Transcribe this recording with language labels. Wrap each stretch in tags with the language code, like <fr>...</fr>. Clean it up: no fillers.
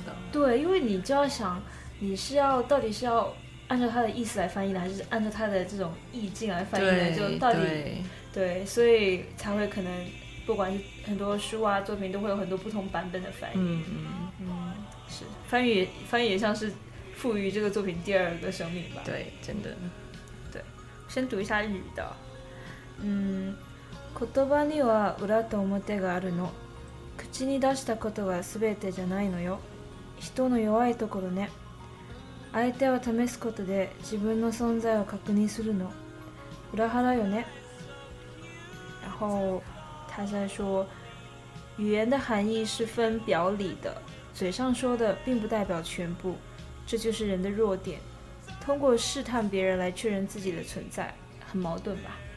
<zh>对，因为你就要想你是要到底是要按照他的意思来翻译的，还是按照他的这种意境来翻译的，就到底对，所以才会可能不管是很多书啊作品都会有很多不同版本的翻译。是翻译也像是赋予这个作品第二个生命吧。对，真的。对，先读一下日语的。</zh> <ja>言葉には裏と表があるの。口に出したことが全てじゃないのよ。人の弱いところね。相手を試すことで自分の存在を確認するの。裏腹よね。</ja> <zh>然后他在说，语言的含义是分表里的，嘴上说的并不代表全部，这就是人的弱点。通过试探别人来确认自己的存在，很矛盾吧？</zh>